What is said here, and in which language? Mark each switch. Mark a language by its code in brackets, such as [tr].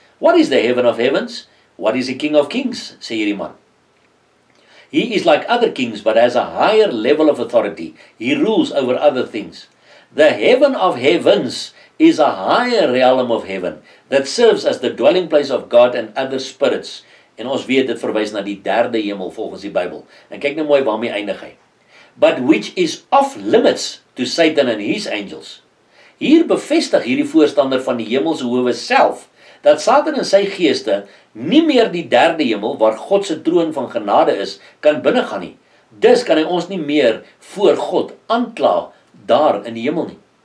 [en] What is the heaven of heavens? What is the King of Kings? [af] Sê hierdie man. [en] He is like other kings, but has a higher level of authority. He rules over other things. The heaven of heavens is a higher realm of heaven that serves as the dwelling place of God and other spirits. [af] En ons weet dit verwys na die derde hemel volgens die Bybel. En kyk nou mooi waarmee eindig hy. [en] But which is off limits to Satan and his angels. [af] Hier bevestig hierdie voorstander van die hemelse howe self dat Satan en sy geeste nie meer die derde hemel, waar God se troon van genade is, kan binnegaan nie. Dus kan hy ons nie meer voor God aankla daar in die hemel nie.